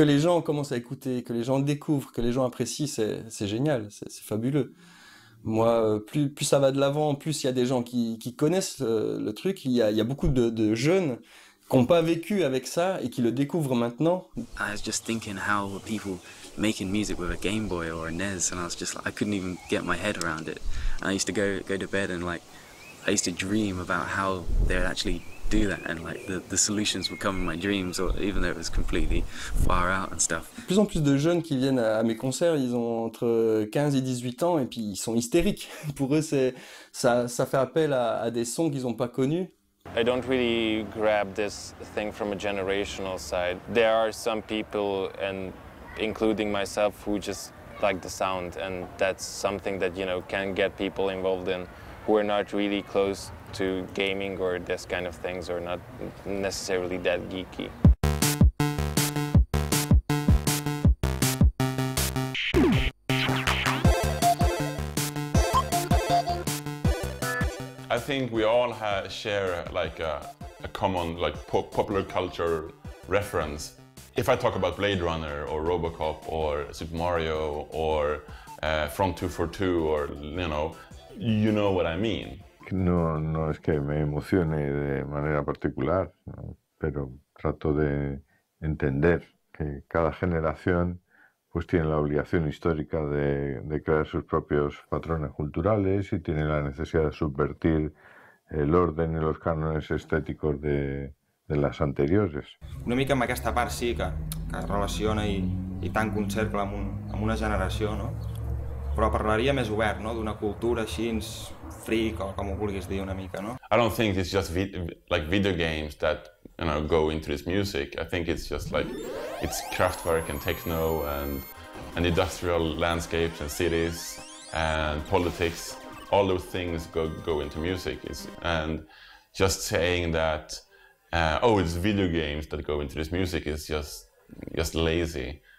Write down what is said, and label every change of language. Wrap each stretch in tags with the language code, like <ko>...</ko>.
<fr>que les gens commencent à écouter, que les gens découvrent, que les gens apprécient, c'est génial, c'est fabuleux. Moi, plus ça va de l'avant, plus il y a des gens qui connaissent le truc. Il y a beaucoup de jeunes qui n'ont pas vécu avec ça et qui le découvrent maintenant.</fr> <en>I was just thinking how were people making music with a Game Boy or a NES, and I was just like, I couldn't even get my head around it. And I used to go to bed and like, I used to dream about how they would actually do that, and like the solutions would come in my dreams, or even though it was completely far out and stuff.</en> <fr>Plus en plus de jeunes qui viennent à mes concerts, ils ont entre 15 et 18 ans, et puis ils sont hystériques. Pour eux, ça fait appel à des sons qu'ils n'ont pas connus.</fr> <en>I don't really grab this thing from a generational side. There are some people, and including myself, who just like the sound, and that's something that, you know, can get people involved in, who are not really close to gaming or this kind of things, or not necessarily that geeky. I think we all share like a common like popular culture reference. If I talk about Blade Runner or Robocop or Super Mario or Front 242 or, you know what I mean.</en> <es>No, no es que me emocione de manera particular, ¿no? Pero trato de entender que cada generación pues tiene la obligación histórica de crear sus propios patrones culturales y tiene la necesidad de subvertir el orden y los cánones estéticos de las anteriores.</es> <ca>Una mica amb aquesta part sí que relaciona i tanca un cercle amb una generació, no? Però parlaria més obert, no? D'una cultura així, freak, o com ho vulguis dir una mica, no?</ca> <en>I don't think it's just like video games that, you know, go into this music. I think it's just like it's Kraftwerk and techno and industrial landscapes and cities and politics. All those things go into music. And just saying that, oh, it's video games that go into this music is just lazy.</en>